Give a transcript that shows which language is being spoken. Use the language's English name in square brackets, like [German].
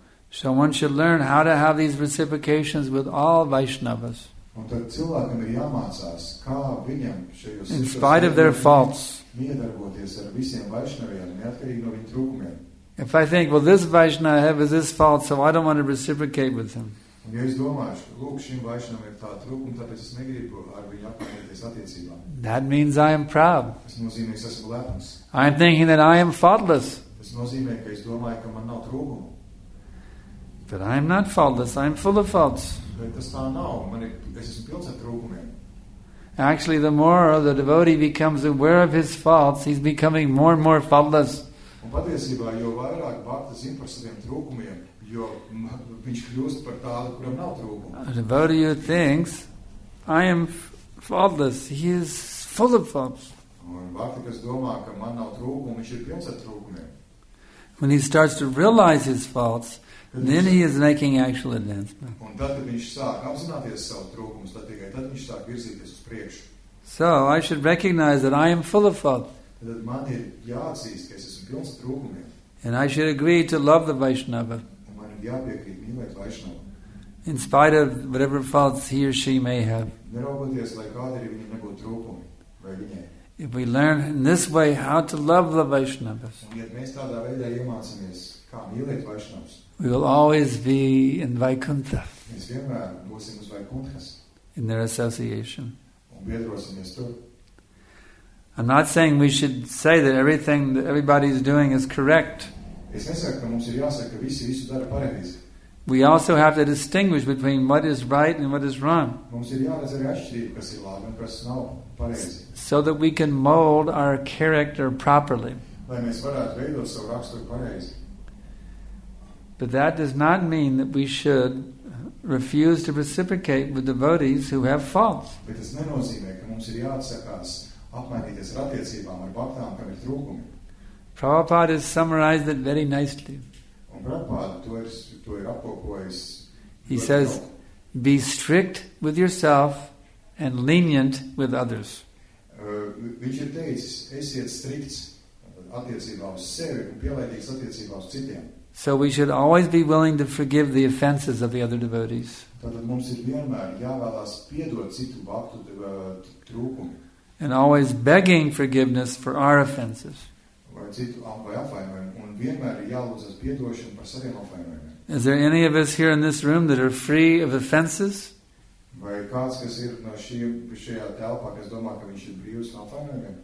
[English] So one should learn how to have these reciprocations with all Vaishnavas. [Latvian] Un tad cilvēkam ir jāmācās, kā viņam šajos [English] in spite of their faults [Latvian] miedarboties ar visiem vaišnaviem, neatkarīgi no viņa trūkumiem. [English] If I think, well, this vaishnav has this fault, so I don't want to reciprocate with him. [Latvian] Un ja es domāšu, lūk, šim vaišnam ir tā trūkuma, tāpēc es negribu ar viņu apmainīties attiecībām. [English] That means I am proud. [Latvian] Tas nozīmē, ka es esmu lepns. [English] I am thinking that I am faultless. [Latvian] Tas nozīmē, ka es domāju, ka man nav trūkumu. [English] But I am not faultless, I am full of faults. [Latvian] Bet tas tā nav, man ir es esmu pilns ar trūkumiem. [English] Actually, the more the devotee becomes aware of his faults, he's becoming more and more faultless. [Latvian] Un patiesībā, jo vairāk bhakta zin par saviem trūkumiem, jo viņš kļūst par tādu, kuram nav trūkumu. [English] A devotee who thinks, I am faultless, he is full of faults. [Latvian] Un bhakta, kas domā, ka man nav trūkumu, viņš ir pilns ar trūkumiem. [English] When he starts to realize his faults, then he is making actual advancement. [Latvian] Un tad, kad viņš sāk apzināties savu trūkumus, tad tikai tad viņš sāk virzīties uz priekšu. [English] So, I should recognize that I am full of fault. [Latvian] Tad man ir jāatzīst, ka es esmu pilns ar trūkumiem. [English] And I should agree to love the Vaishnava. [Latvian] Un man ir jāpiekrīt mīlēt Vaishnava. [English] In spite of whatever faults he or she may have. [Latvian] Neraugoties, lai kādi arī viņi nebūtu trūkumi, vai viņai. [English] If we learn in this way how to love the Vaishnavas, [Latvian] un, ja mēs tādā veidā iemācāmies, kā mīlēt Vaishnavas, [English] we will always be in Vaikuntha. [Latvian] Mēs vienmēr būsim uz Vaikunthas. [English] In their association. [Latvian] Un biedrosimies tur. [English] I'm not saying we should say that everything that everybody is doing is correct. [Latvian] Es nesaku, ka mums ir jāsaka, ka visi visu dara pareizi. [English] We also have to distinguish between what is right and what is wrong. [Latvian] Mums ir jāredz arī atšķirība, kas ir labi un kas nav pareizi. [English] So that we can mold our character properly. [Latvian] Lai mēs varētu veidot savu raksturu pareizi. [English] But that does not mean that we should refuse to reciprocate with devotees who have faults. [Latvian] Bet tas nenozīmē, ka mums ir jāatsakās apmainīties ar attiecībām ar baktām, kam ir trūkumi. [English] Prabhupāda has summarized it very nicely. [Latvian] Un Prabhupāda to ir apkopojis. [English] He says, be strict with yourself and lenient with others. [Latvian] Viņš ir teicis, esiet strikts attiecībā uz sevi un pielaidīgs attiecībā uz citiem. [English] So we should always be willing to forgive the offenses of the other devotees. [Latvian] Tātad mums ir vienmēr jāvēlās piedot citu baktu trūkumi. [English] And always begging forgiveness for our offenses. [Latvian] Vai citu apvainojumu, un vienmēr jālūdzas piedošanu par saviem apvainojumiem. [English] Is there any of us here in this room that are free of offenses? [Latvian] Vai kāds, kas ir no šajā telpā, kas domā, ka viņš ir brīvs no apvainojumiem?